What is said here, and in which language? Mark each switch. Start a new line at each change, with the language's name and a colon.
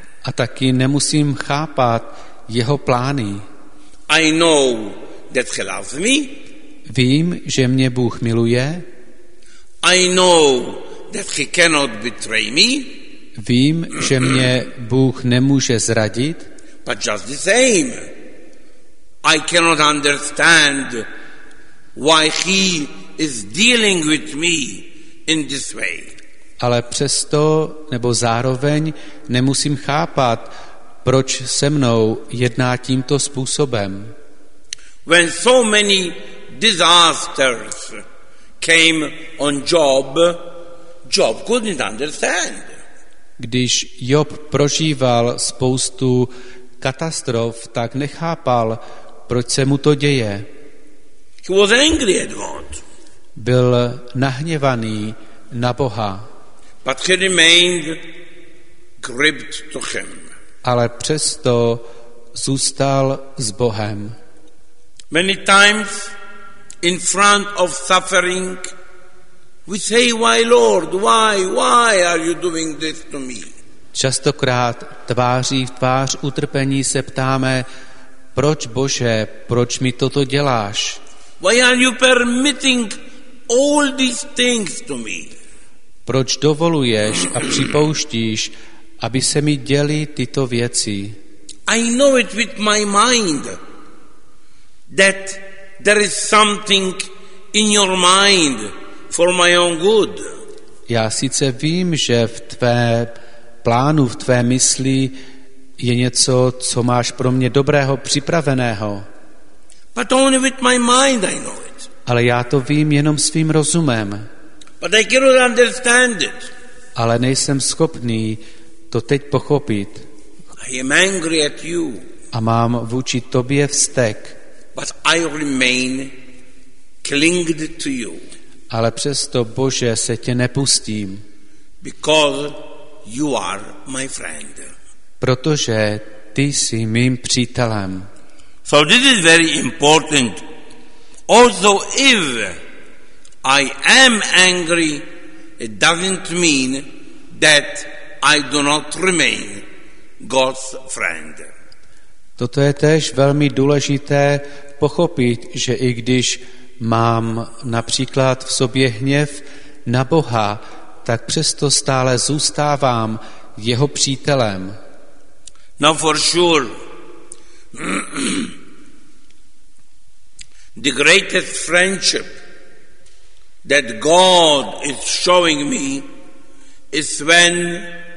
Czech: A taky nemusím chápat jeho plány.
English: I know that he loves me.
Czech: Vím, že mě Bůh miluje.
English: I know that he cannot betray me.
Czech: Vím, že mě Bůh nemůže zradit.
English: But just the same, I cannot understand why he is dealing with me in this way.
Czech: Ale přesto, nebo zároveň, nemusím chápat, proč se mnou jedná tímto způsobem.
English: When so many disasters came on Job, Job couldn't understand.
Czech: Když Job prožíval spoustu katastrof, tak nechápal, proč se mu to děje.
English: He was angry at God.
Czech: Byl nahněvaný na Boha.
English: But he remained gripped to him.
Czech: Ale přesto zůstal s Bohem.
English: Many times in front of suffering we say, why Lord, why are you doing this to me?
Czech: Častokrát tváří v tvář utrpení se ptáme, proč Bože, proč mi toto děláš?
English: Why are you permitting all these things to me?
Czech: Proč dovoluješ a připouštíš, aby se mi děly tyto věci?
English: I know it with my mind that there is something in your mind for my own good.
Czech: Já sice vím, že v tvé plánu, v tvé mysli je něco, co máš pro mě dobrého, připraveného.
English: But only with my mind I know it.
Czech: Ale já to vím jenom svým rozumem.
English: But I cannot understand it.
Czech: Ale nejsem schopný to teď pochopit.
English: I am angry at you.
Czech: A mám vůči tobě vztek.
English: But I remain clinged to you.
Czech: Ale přesto, Bože, se tě nepustím.
English: Because you are my friend.
Czech: Protože ty jsi mým přítelem.
English: So this is very important. Also if I am angry, it doesn't mean that I do not remain God's friend.
Czech: Toto je též velmi důležité pochopit, že i když mám například v sobě hněv na Boha, tak přesto stále zůstávám jeho přítelem.
English: Now for sure, the greatest friendship that God is showing me is when